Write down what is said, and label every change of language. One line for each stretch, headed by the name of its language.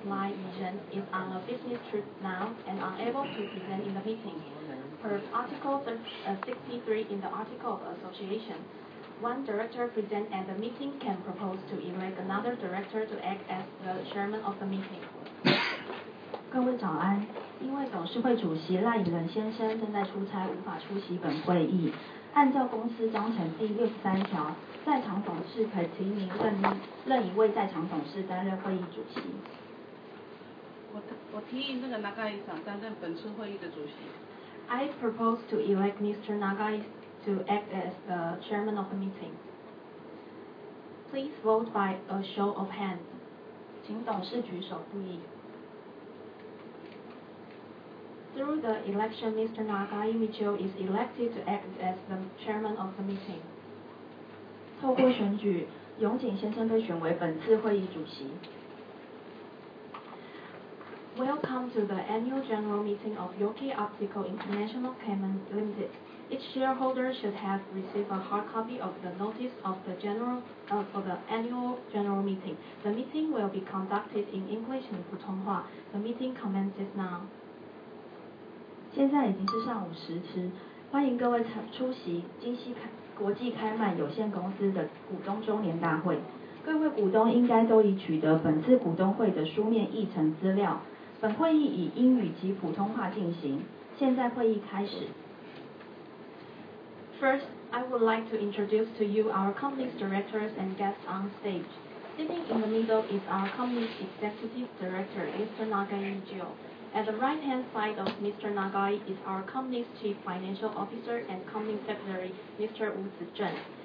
English: Lai Yizhen, is on a business trip now and unable to present in the meeting. Per Article 63 in the Article of Association, one director present at the meeting can propose to elect another director to act as the chairman of the meeting.
Chinese: 各位早安，因为董事会主席赖以仁先生正在出差，无法出席本会议。按照公司章程第63条，在场董事可提名任一位在场董事担任会议主席。我提议那个 Nagai-san 担任本次会议的主席。
English: I propose to elect Mr. Nagai to act as the chairman of the meeting. Please vote by a show of hands.
Chinese: 请董事举手不一。
English: Through the election, Mr. Nagai Michio is elected to act as the chairman of the meeting.
Chinese: 透过选举，永井先生被选为本次会议主席。
English: Welcome to the annual general meeting of Yokei Optical International Cayman Limited. Each shareholder should have received a hard copy of the notice of the general, for the annual general meeting. The meeting will be conducted in English and 普通话. The meeting commences now.
Chinese: 现在已经是上午10:00，欢迎各位出席京西国际开曼有限公司的股东周年大会。各位股东应该都已取得本次股东会的书面议程资料。本会议以英语及普通话进行。现在会议开始。
English: First, I would like to introduce to you our company's directors and guests on stage. Sitting in the middle is our company's executive director, Mr. Nagai Jio. At the right-hand side of Mr. Nagai is our company's chief financial officer and company secretary, Mr. Wu Zizhen.